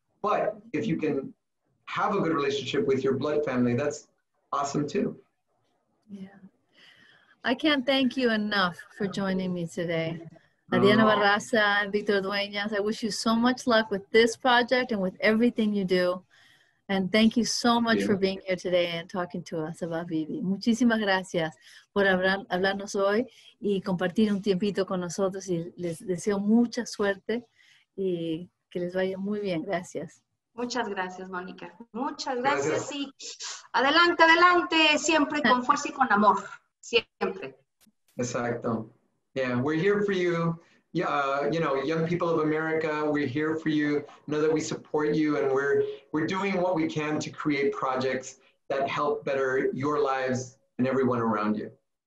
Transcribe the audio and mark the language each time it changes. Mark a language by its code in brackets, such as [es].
[en] But if you can have a good relationship with your blood family, that's awesome too. Yeah. I can't thank you enough for joining me today. Adriana Barraza and Victor Dueñas, I wish you so much luck with this project and with everything you do. And thank you so much for being here today and talking to us about Bibi. [es] Muchísimas gracias por hablarnos hoy y compartir un tiempito con nosotros. Y les deseo mucha suerte y que les vaya muy bien. Gracias. Muchas gracias, Mónica. Muchas gracias. Y adelante, adelante, siempre con fuerza y con amor. Siempre. Exacto. [en] Yeah, we're here for you. Yeah, you know, young people of America, we're here for you. Know that we support you, and we're doing what we can to create projects that help better your lives and everyone around you.